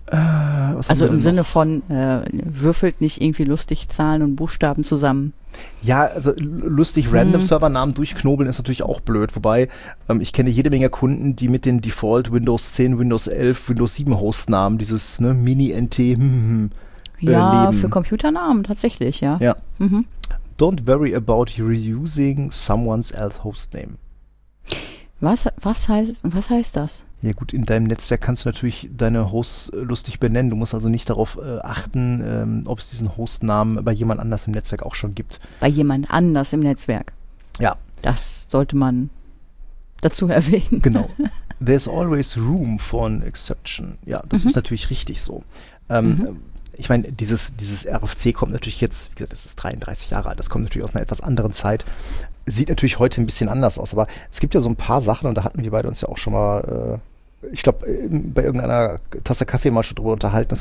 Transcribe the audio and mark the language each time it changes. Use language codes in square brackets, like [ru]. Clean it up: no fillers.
[de] Also im Sinne von würfelt nicht irgendwie lustig Zahlen und Buchstaben zusammen. Ja, also lustig random Servernamen durchknobeln ist natürlich auch blöd, wobei ich kenne jede Menge Kunden, die mit den Default Windows 10, Windows 11, Windows 7 Hostnamen, dieses, ne, Mini-NT Ja, für Computernamen tatsächlich, ja. Ja. Mhm. [en] Don't worry about reusing someone else's hostname. [de] Was heißt das? Ja gut, in deinem Netzwerk kannst du natürlich deine Hosts lustig benennen. Du musst also nicht darauf achten, ob es diesen Hostnamen bei jemand anders im Netzwerk auch schon gibt. Bei jemand anders im Netzwerk? Ja. Das sollte man dazu erwähnen. Genau. [en] There's always room for an exception. [de] Ja, das ist natürlich richtig so. Ich meine, dieses RFC kommt natürlich jetzt, wie gesagt, das ist 33 Jahre alt, das kommt natürlich aus einer etwas anderen Zeit. Sieht natürlich heute ein bisschen anders aus, aber es gibt ja so ein paar Sachen, und da hatten wir beide uns ja auch schon mal, ich glaube, bei irgendeiner Tasse Kaffee mal schon drüber unterhalten.